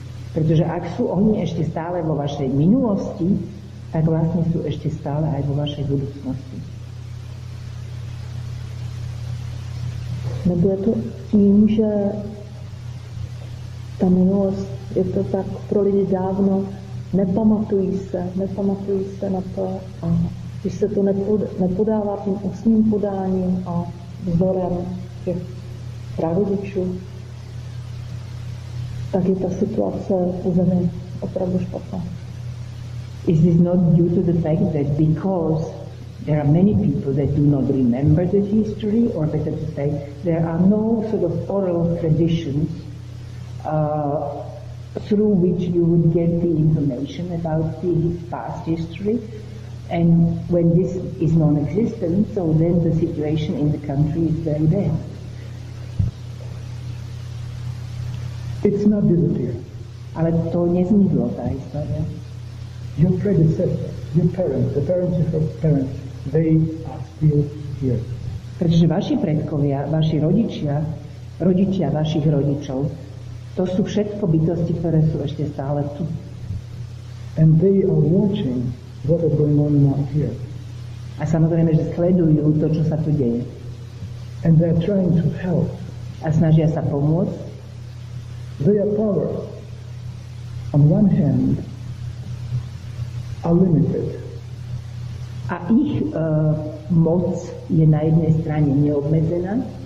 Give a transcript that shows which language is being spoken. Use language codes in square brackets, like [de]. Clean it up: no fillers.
[sk] Pretože ak sú oni ešte stále vo vašej minulosti, tak vlastne sú ešte stále aj vo vašej budúcnosti. [cs] Nebude to tým, že ta minulost, je to tak pro lidi dávno, nepamatují se na to, a když se to nepodává tím ústním podáním a vzorem těch prarodičů, tak je ta situace u zemi opravdu špatná. [en] Is this not due to the fact that because there are many people that do not remember the history, or better to say, there are no sort of oral traditions through which you would get the information about the past history, and when this is non-existent, so then the situation in the country is very bad. It's not disappeared. [sk] Ale to nezmizlo, tá história. [en] Your predecessor, your parents, the parents of your parents, they are still here. [sk] Pretože vaši predkovia, vaši rodičia, rodičia vašich rodičov, to sú všetko bytosti, ktoré sú ešte stále tu. [en] And they are watching what is going on now here. [sk] A samozrejme, že sledujú to, čo sa tu deje. [en] And they are trying to help. [sk] A snažia sa pomôcť. [en] They are power. On one hand, are limited. [sk] A ich moc je na jednej strane neobmedzená.